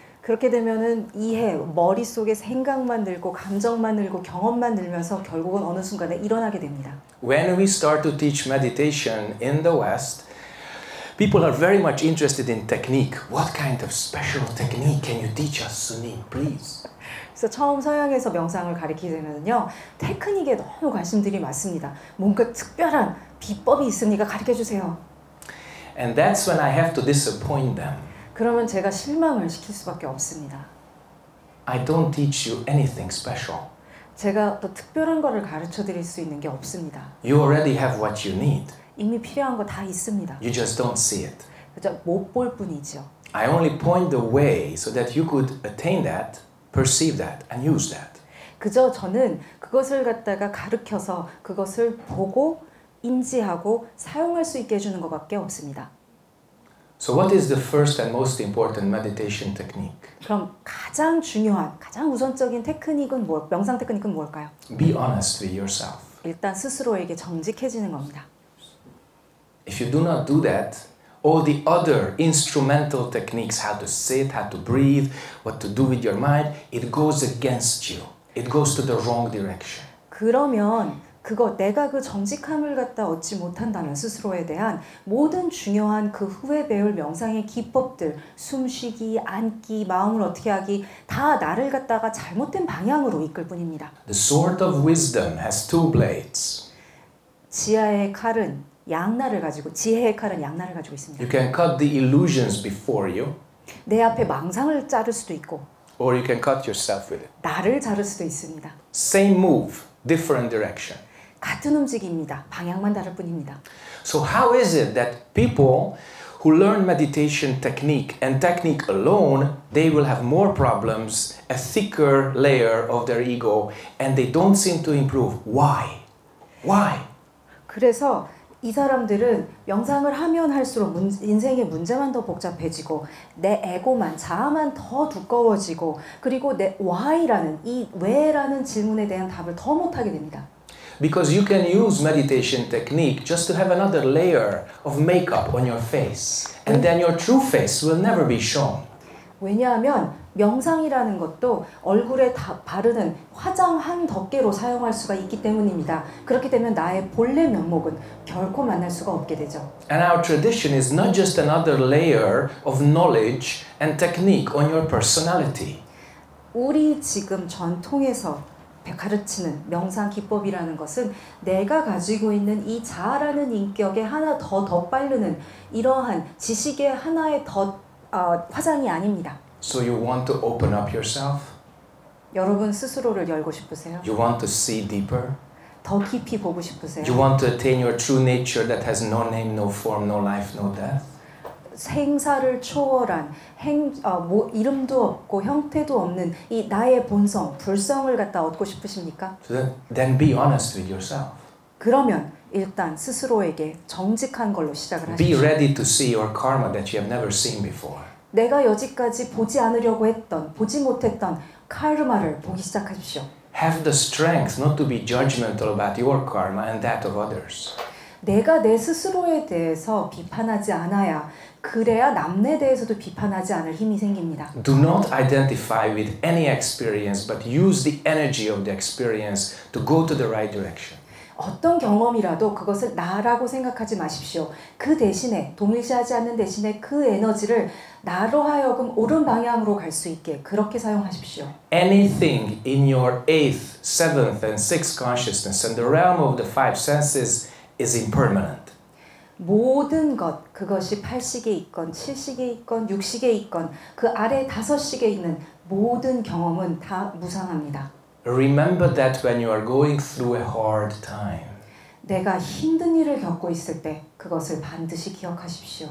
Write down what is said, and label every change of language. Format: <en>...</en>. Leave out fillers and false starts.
<ko>그렇게 되면은 이해, 머릿속에 생각만 늘고 감정만 늘고 경험만 늘면서 결국은 어느 순간에 일어나게 됩니다.</ko> <en>When we start to teach meditation in the West, people are very much interested in technique. What kind of special technique can you teach us, Sunim, please?</en> <ko>그래서 처음 서양에서 명상을 가르치면은요 테크닉에 너무 관심들이 많습니다. 뭔가 특별한 비법이 있으니까 가르쳐 주세요.</ko> <en>And that's when I have to disappoint them.</en> <ko>그러면 제가 실망을 시킬 수밖에 없습니다.</ko> <en>I don't teach you anything special.</en> <ko>제가 또 특별한 것을 가르쳐 드릴 수 있는 게 없습니다.</ko> <en>You already have what you need.</en> <ko>이미 필요한 거 다 있습니다.</ko> <en>You just don't see it.</en> <ko>그저 못 볼 뿐이죠.</ko> <en>I only point the way so that you could attain that. Perceive that and use that.</en> <ko>그저 저는 그것을 갖다가 가르쳐서 그것을 보고 인지하고 사용할 수 있게 해주는 것밖에 없습니다.</ko> <en>So what is the first and most important meditation technique?</en> <ko>그럼 가장 중요한, 가장 우선적인 테크닉은 뭘, 명상 테크닉은 뭘까요?</ko> <en>Be honest with yourself.</en> <ko>일단 스스로에게 정직해지는 겁니다.</ko> <en>If you do not do that, all the other instrumental techniques, how to sit, how to breathe, what to do with your mind, it goes against you. It goes to the wrong direction.</en> <ko>그러면 그거 내가 그 정직함을 갖다 얻지 못한다면 스스로에 대한 모든 중요한 그 후에 배울 명상의 기법들, 숨쉬기, 앉기, 마음을 어떻게 하기 다 나를 갖다가 잘못된 방향으로 이끌 뿐입니다.</ko> <en>The sword of wisdom has two blades.</en> <ko>지혜의 칼은 양날을 가지고 지혜의 칼은 양날을 가지고 있습니다.</ko> <en>You can cut the illusions before you.</en> <ko>내 앞에 망상을 자를 수도 있고.</ko> <en>Or you can cut yourself with it.</en> <ko>나를 자를 수도 있습니다.</ko> <en>Same move, different direction.</en> <ko>같은 움직임입니다. 방향만 다를 뿐입니다.</ko> <en>So how is it that people who learn meditation technique and technique alone, they will have more problems, a thicker layer of their ego, and they don't seem to improve? Why? Why?</en> <ko>그래서 이 사람들은 명상을 하면 할수록 인생의 문제만 더 복잡해지고 내 에고만, 자아만 더 두꺼워지고 그리고 내 why라는, 이 왜라는 질문에 대한 답을 더 못하게 됩니다.</ko> <en>Because you can use meditation technique just to have another layer of makeup on your face. And then your true face will never be shown.</en> <ko>왜냐하면 명상이라는 것도 얼굴에 바르는 화장 한 덮개로 사용할 수가 있기 때문입니다. 그렇게 되면 나의 본래 면목은 결코 만날 수가 없게 되죠.</ko> <en>And our tradition is not just another layer of knowledge and technique on your personality.</en> <ko>우리 지금 전통에서 가르치는 명상 기법이라는 것은 내가 가지고 있는 이 자아라는 인격에 하나 더 덧바르는 이러한 지식의 하나의 덧 화장이 아닙니다.</ko> <en>So you want to open up yourself?</en> <ko>여러분 스스로를 열고 싶으세요?</ko> <en>You want to see deeper?</en> <ko>더 깊이 보고 싶으세요?</ko> <en>You want to attain your true nature that has no name, no form, no life, no death?</en> <ko>생사를 초월한 뭐 이름도 없고 형태도 없는 이 나의 본성, 불성을 갖다 얻고 싶으십니까?</ko> <en>So then be honest with yourself.</en> <ko>그러면 일단 스스로에게 정직한 걸로 시작을 하십시오.</ko> <en>Be ready to see your karma that you have never seen before.</en> <ko>내가 여지까지 보지 않으려고 했던, 보지 못했던 카르마를 보기 시작하십시오.</ko> <en>Have the strength not to be judgmental about your karma and that of others.</en> <ko>내가 내 스스로에 대해서 비판하지 않아야, 그래야 남에 대해서도 비판하지 않을 힘이 생깁니다.</ko> <en>Do not identify with any experience, but use the energy of the experience to go to the right direction.</en> <ko>어떤 경험이라도 그것을 나라고 생각하지 마십시오. 그 대신에, 동일시하지 않는 대신에 그 에너지를 나로 하여금 옳은 방향으로 갈 수 있게 그렇게 사용하십시오.</ko> <en>Anything in your 8th, 7th, and 6th consciousness and the realm of the 5 senses is impermanent.</en> <ko>모든 것, 그것이 8식에 있건, 7식에 있건, 6식에 있건, 그 아래 5식에 있는 모든 경험은 다 무상합니다.</ko> <en>Remember that when you are going through a hard time.</en> <ko>내가 힘든 일을 겪고 있을 때 그것을 반드시 기억하십시오.</ko>